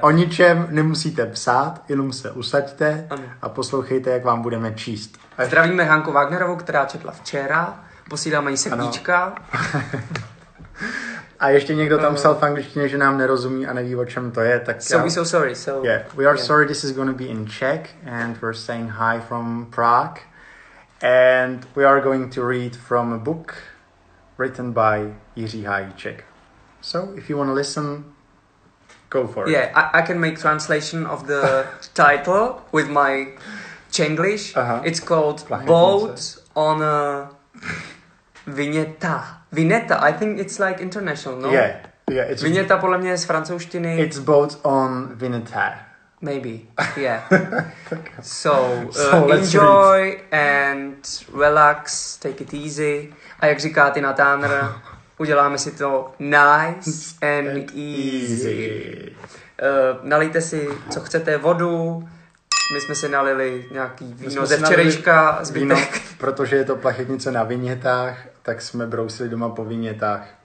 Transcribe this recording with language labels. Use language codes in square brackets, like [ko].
[cs] O ničem nemusíte psát, jenom se usaďte ano. A poslouchejte, jak vám budeme číst. Zdravíme Hanku Wagnerovou, která četla včera, posíláme jí srdíčka. A ještě někdo tam psal v angličtině, že nám nerozumí a neví, o čem to je, tak [en] so we so sorry. So, yeah. We are sorry, this is going to be in Czech and we're saying hi from Prague. And we are going to read from a book written by Jiří Hajíček. So, if you want to listen, go for it. Yeah, I can make translation of the title with my Čenglish. Uh-huh. It's called Boat on a Vineta. Vineta, I think it's like international, no? Yeah, yeah. It's [cs] Vineta podle mě je z francouzštiny. [en] It's boat on Vineta. Maybe, yeah. So enjoy and relax, take it easy. [cs] A jak říká Tina Turner, uděláme si to [en] nice and easy. [cs] Nalijte si, co chcete, vodu. My jsme si nalili nějaký víno ze včerejška, zbytek. Víno, protože je to plachetnice na vinětách, tak jsme brousili doma po vinětách.